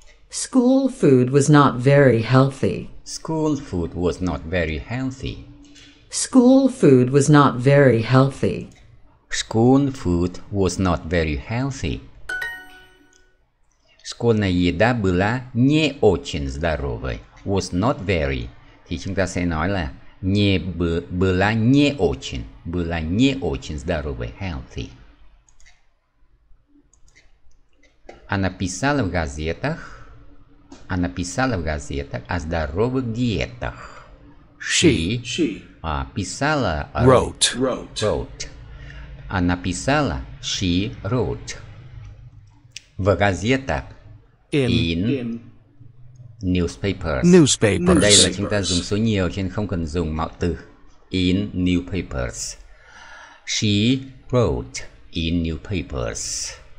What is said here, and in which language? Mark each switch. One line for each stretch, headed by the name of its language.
English: School food was not very healthy. School food was not very healthy. School food was not very healthy. School food was not very healthy.
Russian: Школьная еда была не очень здоровой.
English: Was not very.
Vietnamese: Thì chúng ta sẽ nói là
Russian: не была не очень. Была не очень здоровой.
English: Healthy.
Russian: Она писала в газетах. Она писала в газетах о здоровых диетах.
English: She.
Russian: Писала.
English: Wrote.
Russian: Она писала,
English: she wrote,
Russian: в газетах,
English: in newspapers.
Vietnamese: Đây là chúng ta dùng số nhiều, cho nên không cần dùng mạo từ,
English: in newspapers. She wrote in newspapers.